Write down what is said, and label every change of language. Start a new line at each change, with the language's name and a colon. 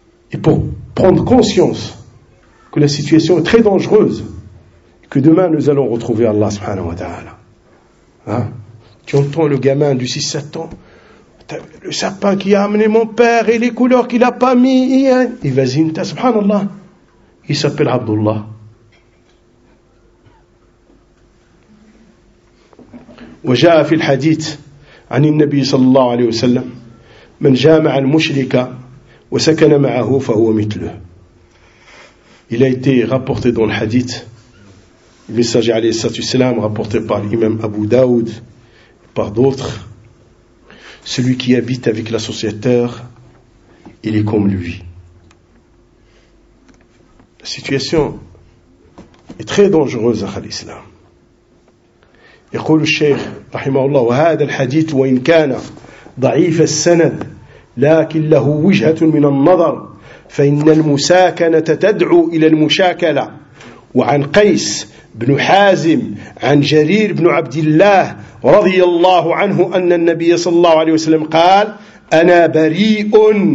French: Et pour prendre conscience que la situation est très dangereuse, que demain nous allons retrouver Allah subhanahu wa ta'ala. Hein? Tu entends le gamin du 6-7 ans, le sapin qui a amené mon père et les couleurs qu'il n'a pas mis, et vas-y, subhanallah, il s'appelle Abdullah.
Arabic: وجاء في الحديث عن النبي صلى الله عليه وسلم من جامع المشرك وسكن معه فهو مثله.
French: Il a été rapporté dans le hadith, le messager alayhi salatu wasalam, rapporté par l'imam Abu Daoud, par d'autres, celui qui habite avec l'associateur, il est comme lui. La situation est très dangereuse à l'islam.
Arabic: يقول الشيخ رحمه الله وهذا الحديث وإن كان ضعيف السند لكن له وجهة من النظر فإن المساكنة تدعو إلى المشاكلة وعن قيس بن حازم عن جرير بن عبد الله رضي الله عنه أن النبي صلى الله عليه وسلم قال أنا بريء